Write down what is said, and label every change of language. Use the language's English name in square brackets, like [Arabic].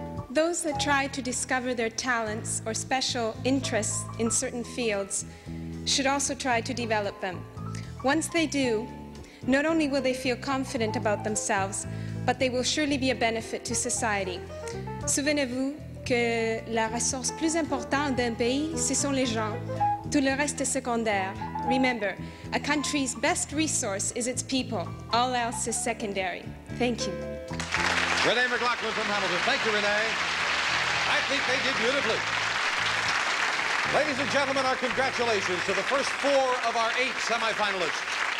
[English] Those that try to discover their talents or special interests in certain fields should also try to develop them. Once they do, not only will they feel confident about themselves, but they will surely be a benefit to society. [French] Souvenez-vous que la ressource plus importante d'un pays, ce sont les gens. Tout le reste est secondaire. [English] Remember, a country's best resource is its people. All else is secondary. Thank you. Renee McLaughlin from Hamilton. Thank you, Renee. I think they did beautifully. Ladies and gentlemen, our congratulations to the first four of our eight semifinalists.